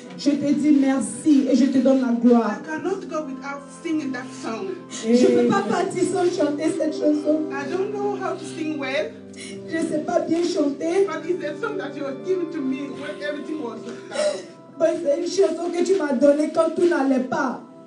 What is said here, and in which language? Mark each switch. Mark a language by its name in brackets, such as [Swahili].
[French] Je te dis merci et je te donne la gloire. [English] I cannot go without singing that song. [French] Je ne peux pas partir sans chanter cette chanson. [English] I don't know how to sing well. [French] Je ne sais pas bien chanter. [English] But it's a song that you have given to me when everything was so tough. [French] C'est une chanson que tu m'as donnée quand tout n'allait pas.